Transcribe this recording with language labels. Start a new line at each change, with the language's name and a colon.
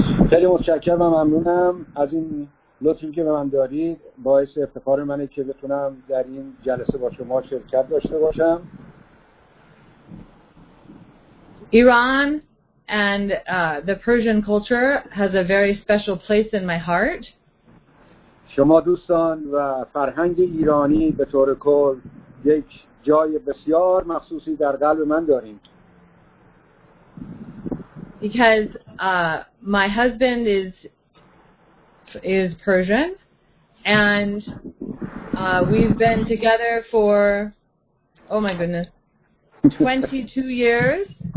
Persian: خیلی متشکرم و ممنونم از این لطفی که به من دارید. باعث افتخار منه که بتونم در این جلسه با شما شرکت داشته باشم.
English: Iran and the Persian culture has a very special place in my heart.
Persian: شما دوستان و فرهنگ ایرانی به طور کل یک جای بسیار مخصوصی در قلب من دارین.
English: Because my husband is Persian, and we've been together for, oh my goodness, 22 years.